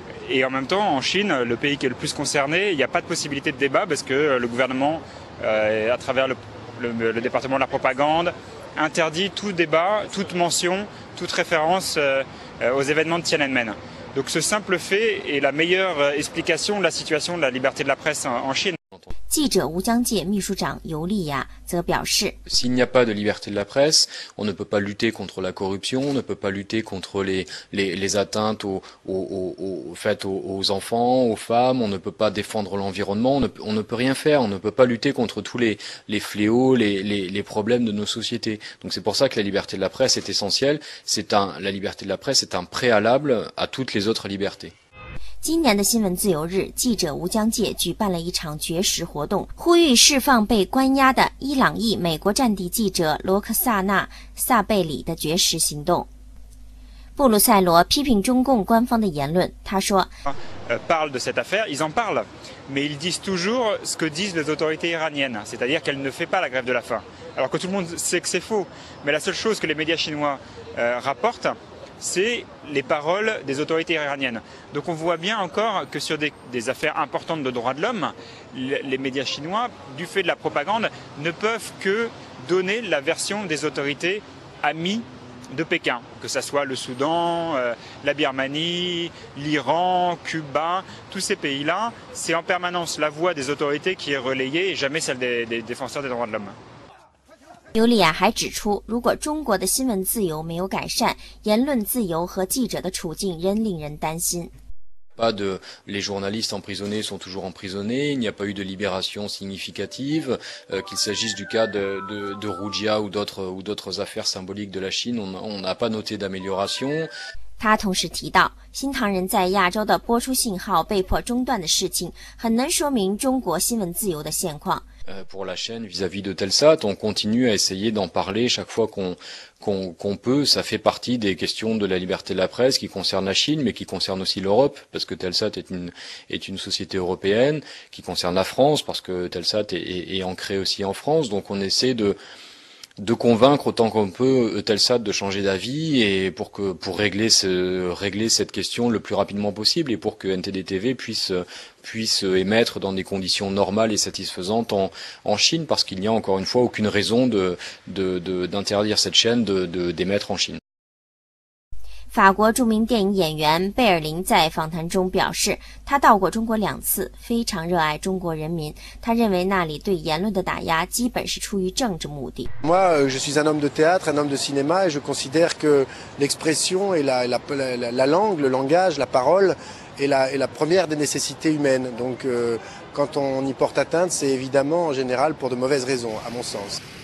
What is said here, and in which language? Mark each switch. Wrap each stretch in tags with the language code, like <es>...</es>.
<fr>et en même temps, en Chine, le pays qui est le plus concerné, il n'y a pas de possibilité de débat parce que le gouvernement, à travers le département de la propagande, interdit tout débat, toute mention, toute référence aux événements de Tiananmen. Donc ce simple fait est la meilleure explication de la situation de la liberté de la presse en Chine.</fr> <zh>记者吴江介秘书长尤利亚则表示，</zh> <fr>s'il n'y a pas de liberté de la presse, on ne peut pas lutter contre la corruption, on ne peut pas lutter contre les atteintes aux enfants, aux femmes, on ne peut pas défendre l'environnement, on ne peut rien faire, on ne peut pas lutter contre tous les fléaux, les problèmes de nos sociétés. Donc c'est pour ça que la liberté de la presse est essentielle. La liberté de la presse est un préalable à toutes les autres libertés.</fr> <zh>今年的新闻自由日，记者吴江介举办了一场绝食活动，呼吁释放被关押的伊朗裔美国战地记者罗克萨纳·萨贝里的绝食行动。布鲁塞罗批评中共官方的言论，他说</zh> <fr>parle de cette affaire, ils en parlent, mais ils disent toujours ce que disent les autorités iraniennes, c'est-à-dire qu'elle ne fait pas la grève de la faim, alors que tout le monde sait que c'est faux, mais la seule chose que les médias chinois rapportent,c'est les paroles des autorités iraniennes. Donc on voit bien encore que sur des affaires importantes de droits de l'homme, les médias chinois, du fait de la propagande, ne peuvent que donner la version des autorités amies de Pékin, que ce soit le Soudan, la Birmanie, l'Iran, Cuba, tous ces pays-là, c'est en permanence la voix des autorités qui est relayée et jamais celle des défenseurs des droits de l'homme.</fr> <zh>尤利亚还指出，如果中国的新闻自由没有改善，言论自由和记者的处境仍令人担心。</zh> <fr>Pas de, les journalistes emprisonnés sont toujours emprisonnés. Il n'y a pas eu de libération significative. Qu'il s'agisse du cas de Rujia ou d'autres affaires symboliques de la Chine, on n'a pas noté d'amélioration.</fr> <zh>他同时提到，新唐人在亚洲的播出信号被迫中断的事情，很能说明中国新闻自由的现况。</zh> <fr>Pour la chaîne vis-à-vis de Telsat, on continue à essayer d'en parler chaque fois qu'on peut. Ça fait partie des questions de la liberté de la presse qui concerne la Chine, mais qui concerne aussi l'Europe, parce que Telsat est une société européenne, qui concerne la France, parce que Telsat est ancrée aussi en France. Donc on essaie de, de convaincre autant qu'on peut Eutelsat de changer d'avis et pour régler régler cette question le plus rapidement possible et pour que NTD TV puisse émettre dans des conditions normales et satisfaisantes en Chine, parce qu'il n'y a encore une fois aucune raison d'interdire cette chaîne d'émettre en Chine.</fr> <zh>法国著名电影演员贝尔林在访谈中表示，他到过中国两次，非常热爱中国人民。他认为那里对言论的打压基本是出于政治目的。</zh> <fr>Moi, je suis un homme de théâtre, un homme de cinéma, et je considère que l'expression et la langue, le langage, la parole est la première des nécessités humaines. Donc, quand on y porte atteinte, c'est évidemment en général pour de mauvaises raisons, à mon sens.</fr>